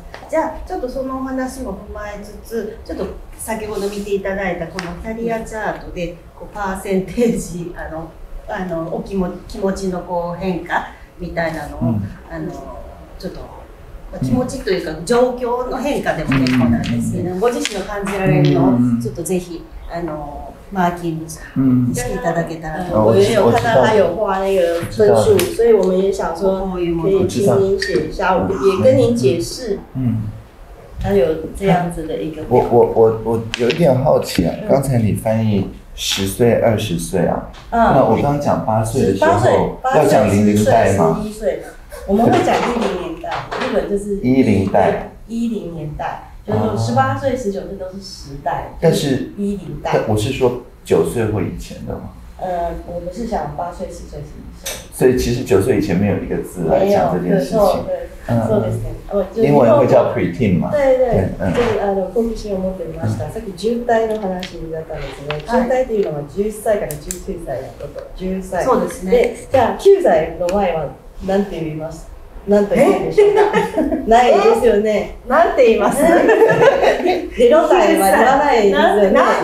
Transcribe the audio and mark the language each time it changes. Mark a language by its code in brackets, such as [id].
[ja] じゃあちょっとそのお話も踏まえつつ、ちょっと先ほど見ていただいたこのキャリアチャートでこうパーセンテージ、お気持ちのこう変化みたいなのを、ちょっと気持ちというか状況の変化でも結構なんですけど、ご自身の感じられるのをちょっとぜひマーキングしていただけたらと思います。 [zh] 我也有看到他有画那个分数，所以我们也想说可以请您写一下，也跟您解释。他有这样子的一个表。我有点好奇啊，刚才你翻译十岁、二十岁啊，那我刚讲八岁的时候要讲零零代吗？十一岁，我们会讲10年代，日本就是 [ja] 10代， [zh] 10年代。18岁、19岁都是时代，但是 [ja] 10代， [zh] 我是说9岁或以前的吗？我们是想8岁、10岁、11岁，所以其实9岁以前没有一个字来讲这件事情。对，英文会叫 preteen 嘛？对，嗯。 [ja] 就興味を持っていました。さっき10代の話だったんですけど、10代というのは11歳から19歳のこと。 10歳。そうですね。で、じゃあ9歳の前は何て言います？なんと言うんでしょうか。ないですよね。なんて言います？ 0歳は言わないですよね。